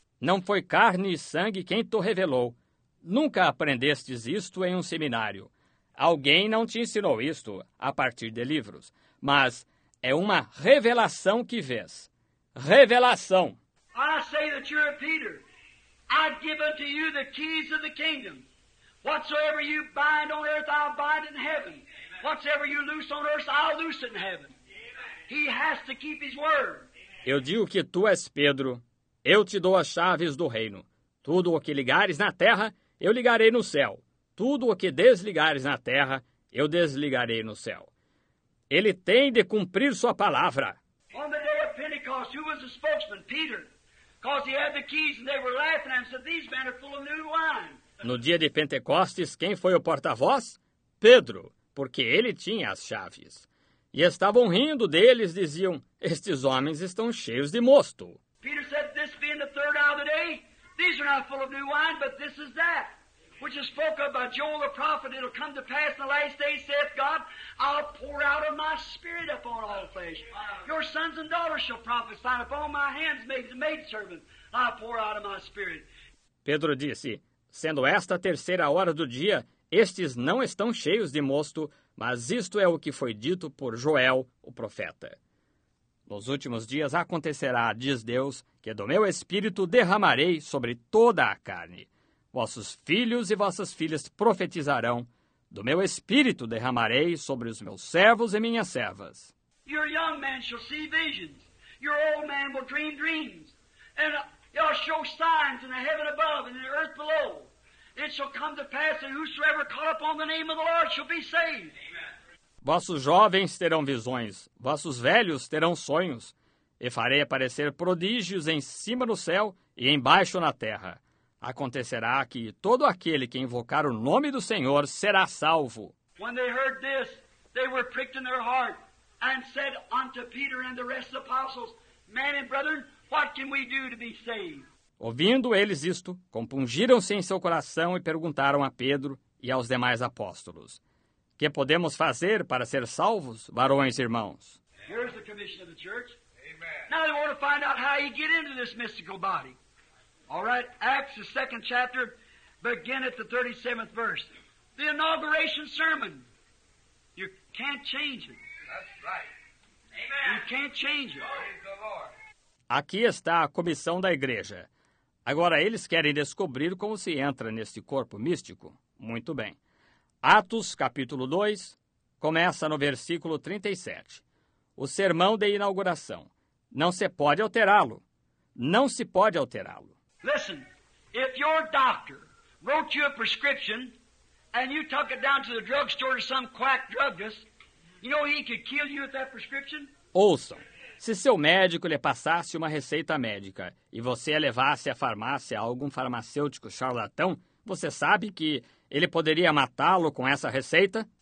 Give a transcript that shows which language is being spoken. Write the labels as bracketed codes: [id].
[pt] Não foi carne e sangue quem te revelou. Nunca aprendestes isto em um seminário. Alguém não te ensinou isto a partir de livros, mas é uma revelação que vês. Revelação. [en] I say that you're a Peter. I've given to you the keys of the kingdom. Whatsoever you bind on earth, I'll bind in heaven. Whatsoever you loose on earth, I'll loose in heaven. He has to keep his word. [pt] Eu digo que tu és Pedro. Eu te dou as chaves do reino. Tudo o que ligares na terra, eu ligarei no céu. Tudo o que desligares na terra, eu desligarei no céu. Ele tem de cumprir sua palavra. [en] On the day of Pentecost, who was the spokesman? Peter. Because he had the keys and they were laughing at him. Said, these men are full of new wine. [pt] No dia de Pentecostes, quem foi o porta-voz? Pedro, porque ele tinha as chaves. E estavam rindo deles, diziam, estes homens estão cheios de mosto. [en] Peter said, this being the third hour of the day, these are not full of new wine, but this is that, which is spoken of by Joel the prophet. It'll come to pass in the last day, saith God, I'll pour out of my spirit upon all flesh. Your sons and daughters shall prophesy, upon my hands made the maidservant, I'll pour out of my spirit. [pt] Pedro disse, sendo esta a terceira hora do dia, estes não estão cheios de mosto, mas isto é o que foi dito por Joel, o profeta. Nos últimos dias acontecerá, diz Deus, que do meu espírito derramarei sobre toda a carne. Vossos filhos e vossas filhas profetizarão. Do meu espírito derramarei sobre os meus servos e minhas servas. [en] Your young man shall see visions. Your old man will dream dreams. And they'll show signs in the heaven above and in the earth below. It shall come to pass that whosoever call upon the name of the Lord shall be saved. Amen. [pt] Vossos jovens terão visões, vossos velhos terão sonhos, e farei aparecer prodígios em cima no céu e embaixo na terra. Acontecerá que todo aquele que invocar o nome do Senhor será salvo. [en] When they heard this, they were pricked in their heart and said unto Peter and the rest of the apostles, men and brethren, what can we do to be saved? [pt] Ouvindo eles isto, compungiram-se em seu coração e perguntaram a Pedro e aos demais apóstolos, que podemos fazer para ser salvos, varões e irmãos? [en] Here's the commission of the church. Amen. Now they want to find out how you get into this mystical body. All right, Acts, the second chapter, begin at the 37th verse. The inauguration sermon. You can't change it. That's right. Amen. You can't change it. Glory to the Lord. [pt] Aqui está a comissão da igreja. Agora eles querem descobrir como se entra neste corpo místico. Muito bem. Atos, capítulo 2, começa no versículo 37. O sermão de inauguração. Não se pode alterá-lo. Não se pode alterá-lo. [en] Listen, If your doctor wrote you a prescription and you took it down to the drugstore to some quack druggist, you know he could kill you with that prescription? [pt] Ouça, se seu médico lhe passasse uma receita médica e você a levasse à farmácia a algum farmacêutico charlatão, você sabe que ele poderia matá-lo com essa receita?